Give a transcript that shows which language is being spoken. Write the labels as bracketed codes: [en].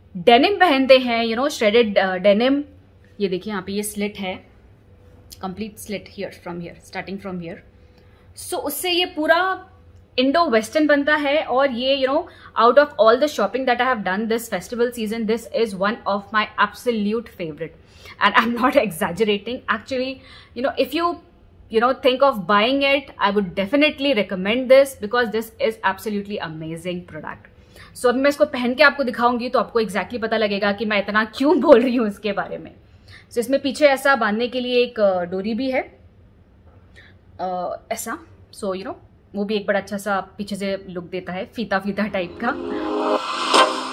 [en] denim पहनते हैं, you know shredded denim, [hi] ये देखिए यहाँ पे ये स्लिट है, [en] Complete slit here from here starting from here. [hi] सो उससे ये पूरा इंडो वेस्टर्न बनता है. [en] और ये you know out of all the shopping that I have done this festival season, this is one of my absolute favourite, and I am not exaggerating. Actually you know if you you know think of buying it, I would definitely recommend this because this is absolutely amazing product. [hi] So अभी मैं इसको पहन के आपको दिखाऊंगी तो आपको exactly पता लगेगा कि मैं इतना क्यों बोल रही हूँ इसके बारे में. So इसमें पीछे ऐसा बांधने के लिए एक डोरी भी है ऐसा, so you know वो भी एक बड़ा अच्छा सा पीछे से लुक देता है, फीता फीता टाइप का.